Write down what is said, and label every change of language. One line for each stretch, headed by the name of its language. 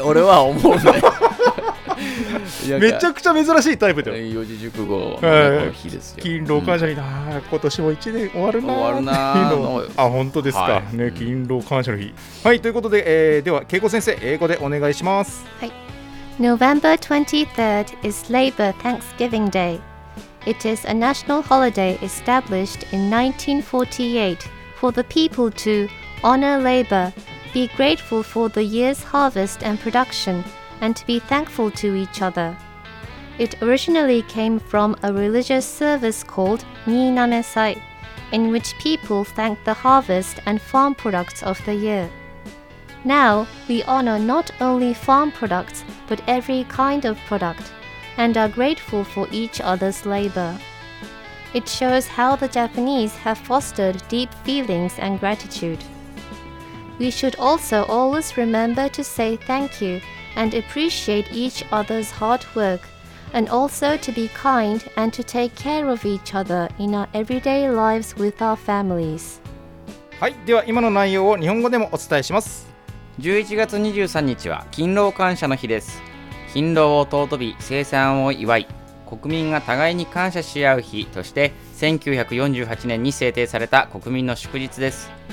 Japanese: 俺は思うね。めちゃくちゃ珍しいタイプだよ。四字熟語の日ですよ。勤労感謝の日だ、今年も1年終わるな、終わるなの。あ、本当ですか、はい、ね、勤労感謝の日。はい、ということで、では恵子先生、英語でお願いします。はい。
English: November 23rd is Labor Thanksgiving DayIt is a national holiday established in 1948 for the people to honor labor, be grateful for the year's harvest and production, and to be thankful to each other. It originally came from a religious service called Ninamesai, in which people thank the harvest and farm products of the year. Now, we honor not only farm products, but every kind of product. and are grateful for each other's labor. It shows how the Japanese have fostered deep feelings and gratitude. We should also always remember to say thank you and appreciate each other's hard work, and also to be kind and to take care of each other in our everyday lives with our families.
Japanese: はい、では今の内容を日本語でもお伝えします。 11月23日は勤労感謝の日です。勤労を尊び、生産を祝い、国民が互いに感謝し合う日として1948年に制定された国民の祝日です。